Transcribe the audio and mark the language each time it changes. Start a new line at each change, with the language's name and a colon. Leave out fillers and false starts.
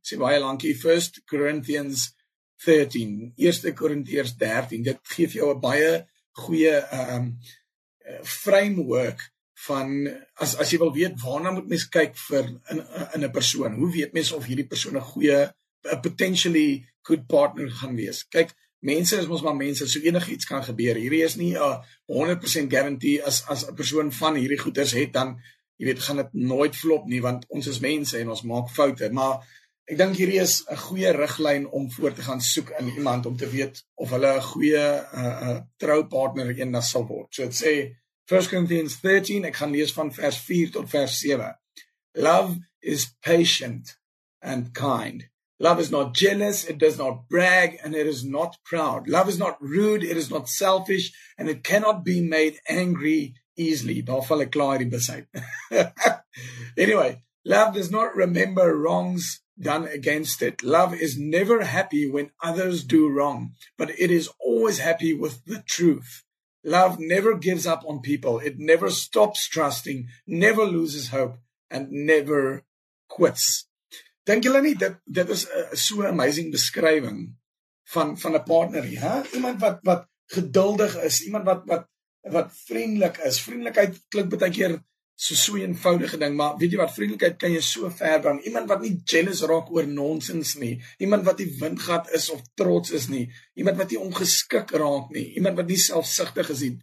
Afrikaans: Sê baie lankie, 1 Corinthians 13, 1 Korintiërs 13. Dit geef jou 'n baie goeie framework van, as jy wil weet, waarna moet mens kyk vir in 'n persoon. Hoe weet mens of hierdie persoon 'n goeie,
English: potentially good partner
Afrikaans: gaan wees? Kyk, mense is ons maar mense, so enig iets kan gebeur. Hierdie is nie 'n 100% guarantee. As 'n persoon van hierdie goeders het, dan, jy weet, gaan dit nooit flop nie, want ons is mense en ons maak foute. Maar ek dink hierdie is 'n goeie riglyn om voor te gaan soek in iemand, om te weet of hulle 'n goeie troupartner eendag sal word. So het sê 1 Corinthians 13, ek gaan lees van vers 4 tot vers 7.
English: Love is patient and kind. Love is not jealous, it does not brag, and it is not proud. Love is not rude, it is not selfish, and it cannot be made angry easily.
Afrikaans: Daar val ek klaar die besuit.
English: Anyway, love does not remember wrongs done against it. Love is never happy when others do wrong, but it is always happy with the truth. Love never gives up on people. It never stops trusting, never loses hope, and never quits.
Afrikaans: Denk julle nie, dit is so amazing beskrywing van 'n partner hier, hè? Iemand wat geduldig is, iemand wat vriendelik is. Vriendelikheid klink baie keer so eenvoudige ding, maar weet jy wat, vriendelikheid kan jy so ver bring. Iemand wat nie jealous raak oor nonsens nie, iemand wat nie windgat is of trots is nie, iemand wat nie ongeskik raak nie, iemand wat nie selfsugtig is nie.